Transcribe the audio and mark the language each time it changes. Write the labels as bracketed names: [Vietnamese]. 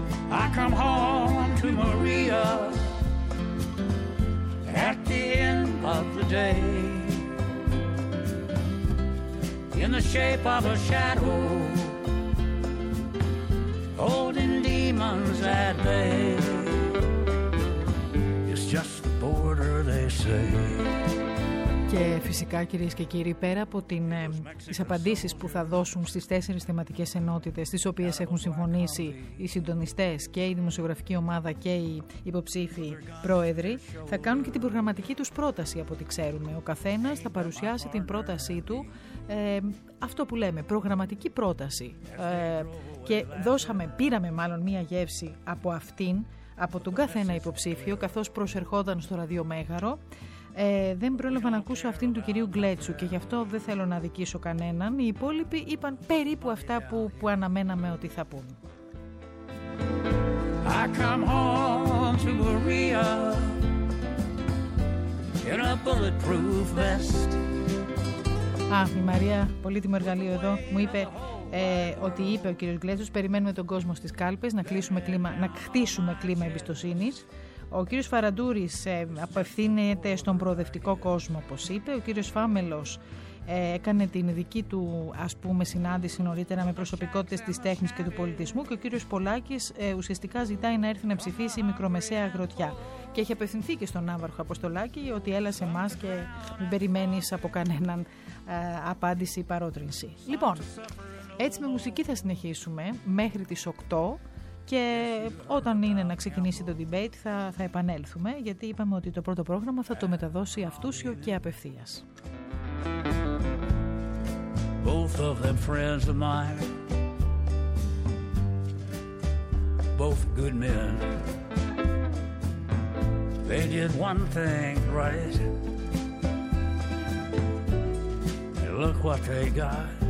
[English] I come home to Maria at the end of the day, in the shape of a shadow, holding demons at bay. It's just the border, they say. [Greek] Και φυσικά, κυρίες και κύριοι, πέρα από τις απαντήσεις που θα δώσουν στις τέσσερις θεματικές ενότητες, στις οποίες έχουν συμφωνήσει οι συντονιστές και η δημοσιογραφική ομάδα και οι υποψήφοι πρόεδροι, θα κάνουν και την προγραμματική τους πρόταση, από ό,τι ξέρουμε. Ο καθένας θα παρουσιάσει την πρότασή του, αυτό που λέμε, προγραμματική πρόταση. Και πήραμε μάλλον μία γεύση από αυτήν, από τον καθένα υποψήφιο, καθώς προσερχόταν στο Ραδιομέγαρο. Δεν πρόλαβα να ακούσω αυτήν του κυρίου Γκλέτσου και γι' αυτό δεν θέλω να δικήσω κανέναν. Οι υπόλοιποι είπαν περίπου αυτά που αναμέναμε ότι θα πούν. [English] I come home to Maria in a bulletproof vest. [Greek] Α, η Μαρία, πολύτιμο εργαλείο εδώ, μου είπε ότι είπε ο κύριος Γκλέτσου, περιμένουμε τον κόσμο στις κάλπες να χτίσουμε κλίμα εμπιστοσύνης. Ο κύριος Φαραντούρης απευθύνεται στον προοδευτικό κόσμο, όπως είπε. Ο κύριος Φάμελος έκανε την δική του, ας πούμε, συνάντηση νωρίτερα με προσωπικότητες της τέχνης και του πολιτισμού. Και ο κύριος Πολάκης ουσιαστικά ζητάει να έρθει να ψηφίσει η μικρομεσαία αγροτιά. Και έχει απευθυνθεί και στον Άβαρχο Αποστολάκη ότι έλα σε εμάς και μην περιμένεις από κανέναν απάντηση ή παρότρινση. Λοιπόν, έτσι με μουσική θα συνεχίσουμε μέχρι τις 8. Και όταν είναι να ξεκινήσει το debate θα επανέλθουμε, γιατί είπαμε ότι το πρώτο πρόγραμμα θα το μεταδώσει αυτούσιο και απευθείας. [English] Both of them friends of mine, both good men. They did one thing right, and look what they got.